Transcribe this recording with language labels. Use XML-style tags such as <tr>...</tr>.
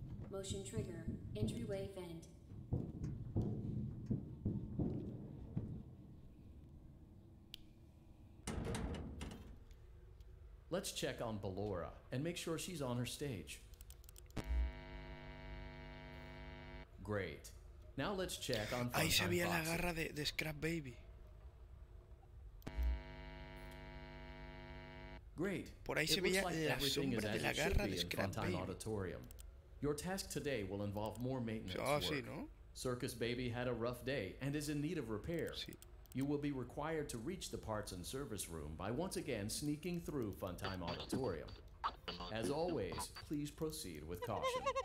<en>Motion trigger, entryway vent. Let's check on Ballora and make sure she's on her stage. Great. Now let's check on</en> <es>Ahí se veía la garra de Scrap Baby.</es> <en>Great.</en> <es>Por ahí se veía la sombra de la garra de Scrap Baby.</es> <en>Your task today will involve more maintenance work.</en> <es>Sí, ¿no?</es> <en>Circus Baby had a rough day and is in need of repair.</en> <es>Sí.</es> <en>You will be required to reach the parts and service room by once again sneaking through Funtime Auditorium. As always, please proceed with caution.</en>